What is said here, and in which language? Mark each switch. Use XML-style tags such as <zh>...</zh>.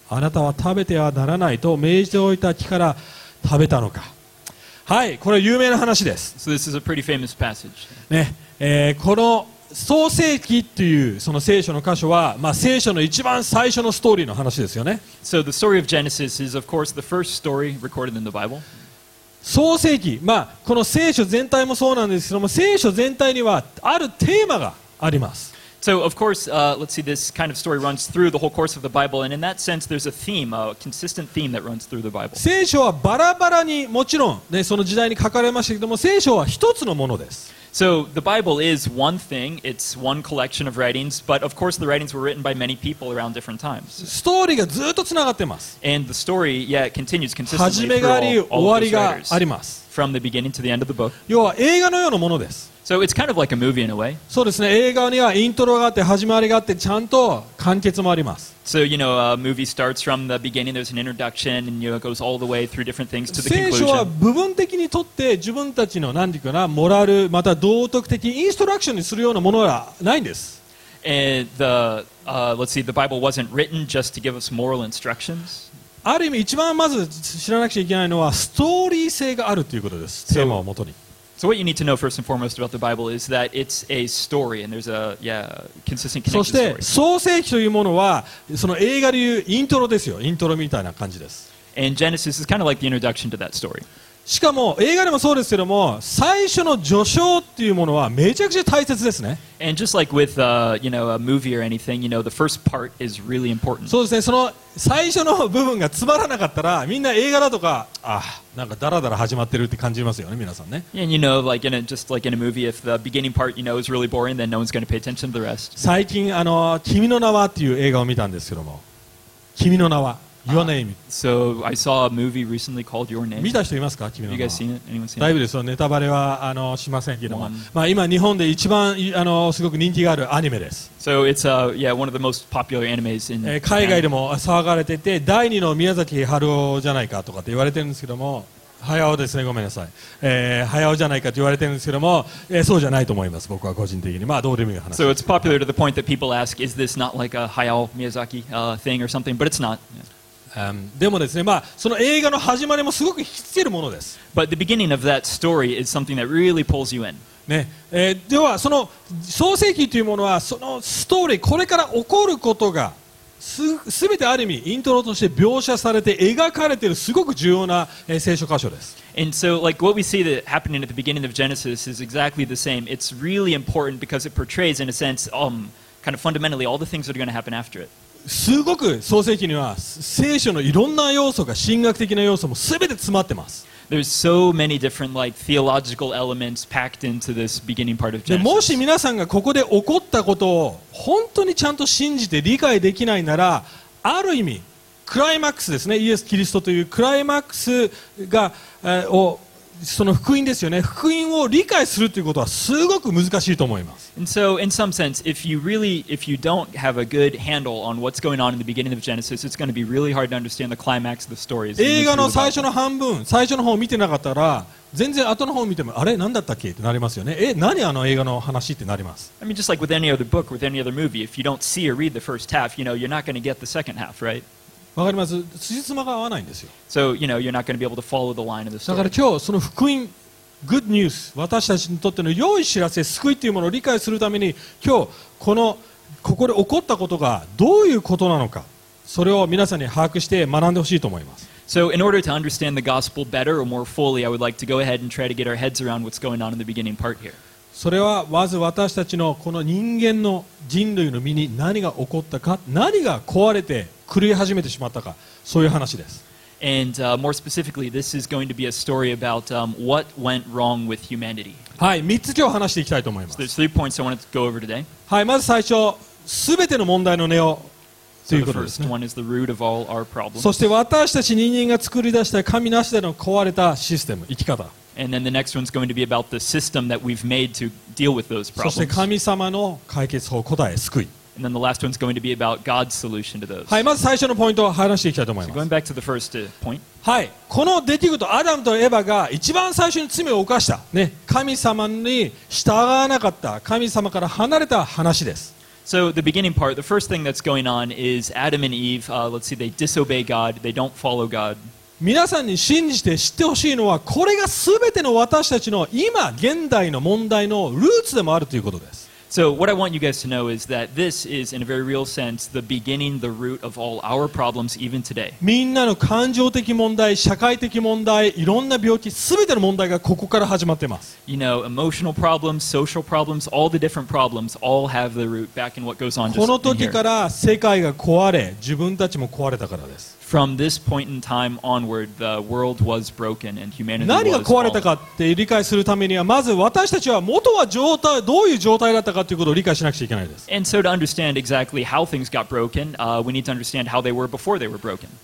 <ja>あなたは食べてはならないと命じておいた木から食べたのか。はい、これは有名な話です。</ja> <en>So this is a pretty famous passage.</en> <ja>ね、この創世記っていうその聖書の箇所は、まあ、聖書の一番最初のストーリーの話ですよね。</ja> <en>So the story of Genesis is of course the first story recorded in the Bible.</en> <ja>創世記、まあ、この聖書全体もそうなんですけども、聖書全体にはあるテーマがあります。</ja> <en>So of course, let's see, this kind of story runs through the whole course of the Bible, and in that sense, there's a theme, a consistent theme that runs through the Bible.</en> <ja>聖書はバラバラにもちろん、ね、その時代に書かれましたけども、聖書は一つのものです。</ja> <en>So the Bible is one thing, it's one collection of writings, but of course the writings were written by many people around different times.</en> <ja>ストーリーがずっとつながってます。</ja> <en>And the story, yeah, it continues consistently through all of those writers.</en> <ja>始めがあり、終わりがあります。</ja> <en>From the beginning to the end of the book.</en> <ja>要は映画のようなものです。</ja> <en>So it's kind of like a movie in a way.</en> <ja>そうですね。映画にはイントロがあって始まりがあってちゃんと完結もあります。</ja> <en>So you know, a movie starts from the beginning. There's an introduction, and you know, it goes all the way through different things to the conclusion.</en> <ja>聖書は部分的にとって自分たちの何ていうかなモラルまた道徳的インストラクションにするようなものはないんです。</ja> <en>And the let's see, the Bible wasn't written just to give us moral instructions.</en> <ja>ある意味一番まず知らなくちゃいけないのはストーリー性があるということです。テーマをもとに。</ja> <en>So what you need to know first and foremost about the Bible is that it's a story and there's a yeah, consistent connection story.</en> <ja>そして創世記というものはその映画でいうイントロですよ。イントロみたいな感じです。</ja> <en>And Genesis is kind of like the introduction to that story.</en> <ja>しかも映画でもそうですけども最初の序章っていうものはめちゃくちゃ大切ですね。</ja> <en>And just like with you know, a movie or anything, you know, the first part is really important.</en> <ja>そうですね。その最初の部分がつまらなかったらみんな映画だとかなんかダラダラ始まってるって感じますよね皆さんね。</ja> <en>And you know, like in a, just like in a movie, if the beginning part, you know, is really boring, then no one's going to pay attention to the rest.</en> <ja>最近君の名はっていう映画を見たんですけども、君の名は、Your name.</ja> <en>So I saw a movie recently called Your Name.</en> <ja>見た人いますか、君の名は。</ja> <en>You guys seen it? Anyone seen it?</en> <ja>大分です。ネタバレはしませんけども。まあ今日本で一番すごく人気があるアニメです。</ja> <en>So it's yeah, one of the most popular animes in.</en> <ja>海外でも騒がれてて第二の宮崎駿じゃないかとかって言われてるんですけども、駿ですね。ごめんなさい。駿じゃないかと言われてるんですけども、そうじゃないと思います。僕は個人的に。まあどうでもいい話。</ja> <en>So it's popular to the point that people ask, is this not like a Hayao Miyazaki thing or something? But it's not. Yeah.</en> <ja>でもですね、まあ、その映画の始まりもすごく引き付けるものです。</ja> <en>But the beginning of that story is something that really pulls you in.</en> <ja>ね、ではその創世記というものはそのストーリー、これから起こることが全てある意味イントロとして描写されて描かれているすごく重要な、聖書箇所です。</ja> <en>And so, like what we see that happening at the beginning of Genesis is exactly the same. It's really important because it portrays, in a sense, kind of fundamentally all the things that are going to happen after it.</en> <ja>すごく創世記には聖書のいろんな要素が神学的な要素も全て詰まってます。</ja> <en>There's so many different like theological elements packed into this beginning part of Genesis.</en> <ja>もし皆さんがここで起こったことを本当にちゃんと信じて理解できないなら、ある意味クライマックスですね、イエス・キリストというクライマックスが、をその福音ですよね。福音を理解するということはすごく難しいと思います。</ja> <en>And so, in some sense, if you really, if you don't have a good handle on what's going on in the beginning of Genesis, it's going to be really hard to understand the climax of the story.</en> <ja>映画の最初の半分、最初の方を見てなかったら、全然後の方を見てもあれ何だったっけってなりますよね。何あの映画の話ってなります。</ja> <en>I mean, just like with any other book, with any other movie, if you don't see or read the first half, you know, you're not going to get the second half, right?</en> <ja>わかります。辻褄が合わないんですよ。</ja> <en>So, you know, you're not going to be able to follow the line of the story.</en> <ja>だから今日その福音、</ja> <en>good news、</en> <ja>私たちにとっての良い知らせ、救いというものを理解するために、今日このここで起こったことがどういうことなのか、それを皆さんに把握して学んでほしいと思います。</ja> <en>So, in order to understand the gospel better or more fully, I would like to go ahead and try to get our heads around what's going on in the beginning part here.</en> <ja>それはまず私たちのこの人間の人類の身に何が起こったか、何が壊れて狂い始めてしまったか、そういう話です。</ja> <en>And more specifically, this is going to be a story about what went wrong with humanity.</en> <ja>はい、3つ今日話していきたいと思います。</ja> <en>So there's three points I wanted to go over today.</en> <ja>はい、まず最初、すべての問題の根をということですね。</ja> <en>So the first one is the root of all our problems.</en> <ja>そして私たち人間が作り出した神なしでの壊れたシステム、生き方。</ja> <en>And then the next one's going to be about the system that we've made to deal with those problems.</en> <ja>そして神様の解決法、答え、救い。</ja> <en>And then the last one's going to be about God's solution to those.</en> <ja>はい、まず最初のポイントを話していきたいと思います。</ja> <en>So、going back to the first point.</en> <ja>はい、この出来事、アダムとエバが一番最初に罪を犯した、ね、神様に従わなかった、神様から離れた話です。</ja> <en>So the beginning part, the first thing that's going on is Adam and Eve, let's see, they disobey God, they don't follow God.</en> <ja>皆さんに信じて知ってほしいのは、これが全ての私たちの今、現代の問題のルーツでもあるということです。</ja> <en>So what I want you guys to know is that this is, in a very real sense, the beginning, the root of all our problems, even today.</en> <ja>みんなの感情的問題、社会的問題、いろんな病気、すべての問題がここから始まっています。</ja> <en>You know, emotional problems, social problems, all the different problems all have the root back in what goes on just in here.</en> <ja>この時から世界が壊れ、自分たちも壊れたからです。</ja> <en>From this point in time onward, the world was broken and humanity was fallen.</en> <ja>何が壊れたかって理解するためには、まず私たちは元は状態、どういう状態だったかということを理解しなくちゃいけないです。</ja> <en>And so to understand exactly how things got broken, we need to understand how they were before they were broken.</en>